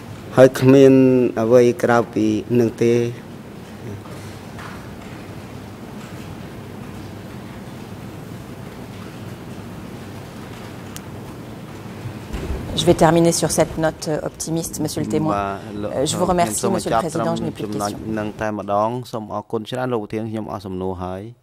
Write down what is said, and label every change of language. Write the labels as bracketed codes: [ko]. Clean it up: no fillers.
[km] ធ្វើពាក្យស្នើទៅបើនារីយល់ព្រមក៏បានរៀបការបើគេមិនយល់ព្រមក៏មិនបានរៀបការហើយគ្មានអ្វីក្រៅពីនឹងទេ [fr] Je vais terminer sur cette note optimiste, Monsieur le témoin. Je vous remercie, Monsieur le Président, je n'ai plus de questions. [km] នឹង តែ ម្ដង សូម អរគុណ ច្រើន លោក ប្រធាន ខ្ញុំ អស់ សំណួរ ហើយ